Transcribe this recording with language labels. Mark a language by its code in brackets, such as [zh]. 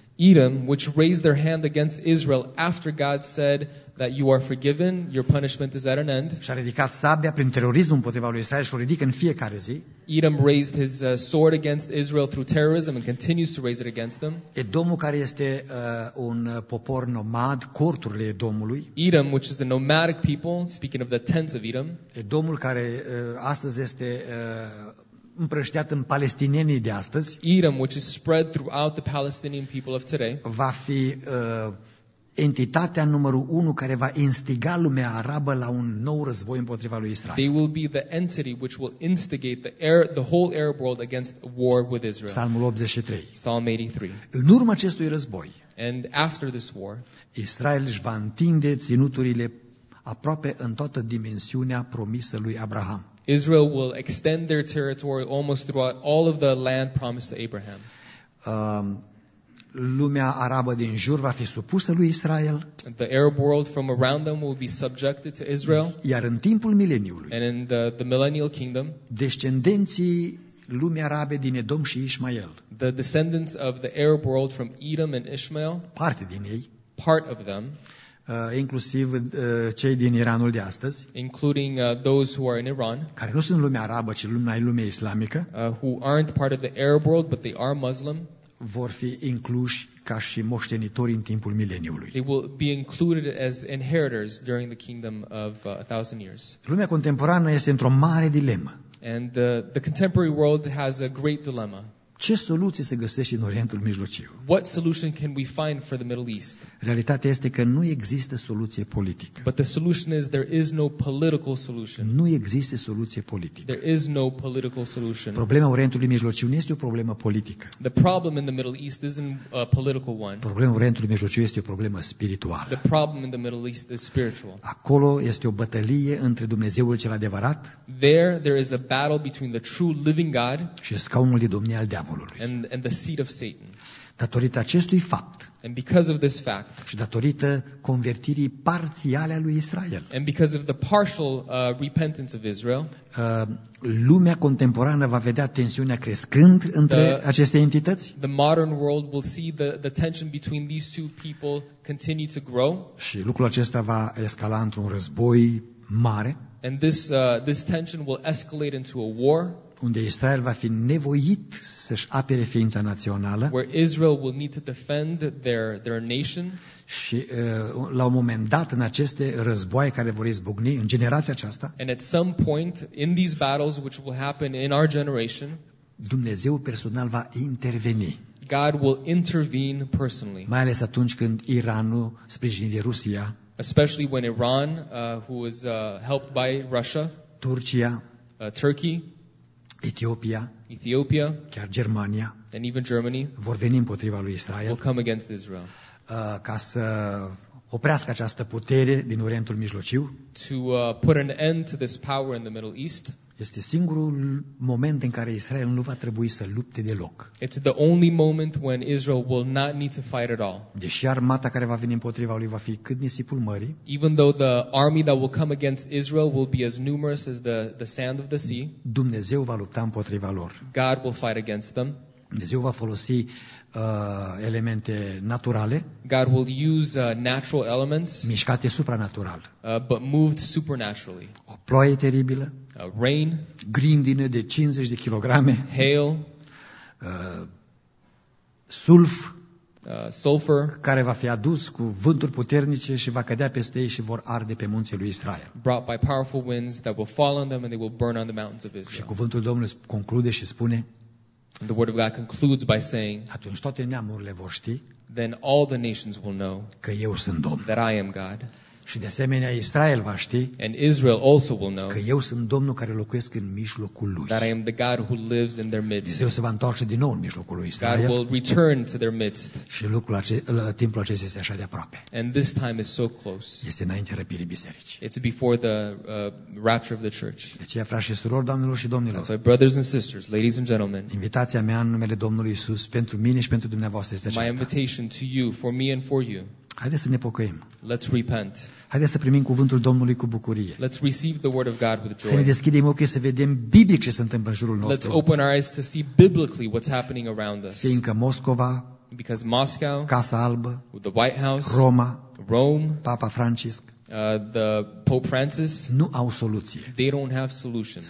[en] Edom, which raised their hand against Israel after God said that you are forgiven, your punishment is at an end. [ro] Și a ridicat sabia prin terorism împotriva lui Israel și o ridică în fiecare zi. [en] Edom raised his sword against Israel through terrorism and continues to raise it against them. [ro] Edomul, care este un popor nomad, corturile Edomului. [en] Edom, which is a nomadic people, speaking of the tents of Edom. [ro] Edomul, care astăzi este împrăștiat în palestinienii de astăzi. [en] Edom, which is spread throughout the Palestinian people of today. [ro] Va fi entitatea numărul 1 care va instiga lumea arabă la un nou război împotriva lui Israel. [en] They will be the entity which will instigate the whole Arab world against war with Israel. [ro] Psalmul 83. [en] Psalm 83. [ro] În urma acestui război, [en] and after this war, [ro] Israel își va întinde ținuturile aproape în toată dimensiunea promisă lui Abraham. [en] Israel will extend their territory almost throughout all of the land promised to Abraham. [ro] Lumea arabă din jur va fi supusă lui Israel. [en] The Arab world from around them will be subjected to Israel. [ro] Iar în timpul mileniului, [en] and in the millennial kingdom, [ro] descendenții lumii arabe din Edom și Ismael, [en] the descendants of the Arab world from Edom and Ishmael, [ro] parte din ei, [en] part of them, [ro] inclusiv cei din Iranul de astăzi, [en] including those who are in Iran, [ro] care nu sunt lumea arabă, ci lumea islamică, [en] who aren't part of the Arab world, but they are Muslim, [ro] vor fi incluși ca și moștenitori în timpul mileniului. [en] They will be included as inheritors during the kingdom of a thousand years. [ro] Lumea contemporană este într-o mare dilemă. [en] And the contemporary world has a great dilemma. [ro] Ce soluție se găsește în Orientul Mijlociu? [en] What solution can we find for the Middle East? [ro] Realitatea este că nu există soluție politică. [en] But the solution is there is no political solution. [ro] Nu există soluție politică. [en] There is no political solution. [ro] Problema Orientului Mijlociu nu este o problemă politică. [en] The problem in the Middle East isn't a political one. [ro] Problema Orientului Mijlociu este o problemă spirituală. [en] The problem in the Middle East is spiritual. [ro] Acolo este o bătălie între Dumnezeul cel adevărat. [en] There is a battle between the true living God. [ro] Și scaunul de domnie al [en] And the seat of Satan. [ro] Datorită acestui fapt. [en] And because of this fact. [ro] Și datorită convertirii parțiale a lui Israel. [en] And because of the partial repentance of Israel. [ro] Lumea contemporană va vedea tensiunea crescând între aceste entități. [en] The modern world will see the tension between these two people continue to grow. [ro] Și lucrul acesta va escala într-un război mare. [en] And this tension will escalate into a war. [ro] Unde Israel va fi nevoit să-și apere ființa națională. [en] Where Israel will need to defend their nation. [ro] Și la un moment dat în aceste războaie care vor izbucni în generația aceasta. [en] And at some point in these battles which will happen in our generation. [ro] Dumnezeu personal va interveni. [en] God will intervene personally. [ro] Mai ales atunci când Iranul sprijinit de Rusia. [en] Especially when Iran, who was helped by Russia. [ro] Turcia. [en] Turkey. [ro] Etiopia, chiar Germania, [en] and even Germany, [ro] vor veni împotriva lui Israel, [en] will come against Israel. [ro] Ca să oprească această putere din Orientul Mijlociu. [en] To put an end to this power in the Middle East. [ro] Este singurul moment în care Israel nu va trebui să lupte deloc. [en] It's the only moment when Israel will not need to fight at all. [ro] Deși armata care va veni împotriva lui va fi cât nisipul mării. [en] Even though the army that will come against Israel will be as numerous as the sand of the sea. [ro] Dumnezeu va lupta împotriva lor. [en] God will fight against them. [ro] Dumnezeu va folosi elemente naturale. [en] God will use natural elements. [ro] Mișcate supranatural. [en] But moved supernaturally. [ro] O ploaie teribilă. [en] A rain. [ro] Grindină de 50 de kilograme. [en] Hail. [ro] Sulf. [en] Sulfur. [ro] Care va fi adus cu vânturi puternice și va cădea peste ei și vor arde pe munții lui Israel. [en] Brought by powerful winds that will fall on them and they will burn on the mountains of Israel. [ro] Și cuvântul Domnului conclude și spune. [en] And the word of God concludes by saying, [ro] Atunci toate neamurile vor ști [en] then all the nations will know [ro] că eu sunt Domn. [en] That I am God. [ro] Și de asemenea Israel va ști [en] and Israel also will know [ro] că eu sunt Domnul care locuiesc în mijlocul lui. [en] That I am the God who lives in their midst. [ro] Dumnezeu se va întoarce din nou în mijlocul lui Israel. [en] God will return to their midst. [ro] Și lucrul timpul acesta este așa de aproape. [en] And this time is so close. [ro] Este înainte răpirii bisericii. [en] It's before the rapture of the church. [ro] De aceea, frați și surori, doamnelor și domnilor. [en] So brothers and sisters, ladies and gentlemen. [ro] Invitația mea în numele Domnului Iisus pentru mine și pentru dumneavoastră este aceasta. [en] My invitation to you, for me and for you. [ro] Haideți să ne pocăim. [en] Let's repent. [ro] Haideți să primim cuvântul Domnului cu bucurie. [en] Let's receive the word of God with joy. [ro] Să ne deschidem ochii să vedem biblic ce se întâmplă în jurul nostru. [en] Let's open our eyes to see biblically what's happening around us. [ro] Fiindcă Moscova, [en] because Moscow, [ro] Casa Albă, [en] the White House, [ro] Roma, [en] Rome, [ro] Papa Francisc, [en] the Pope Francis, [ro] nu au soluție. [en] They don't have solutions.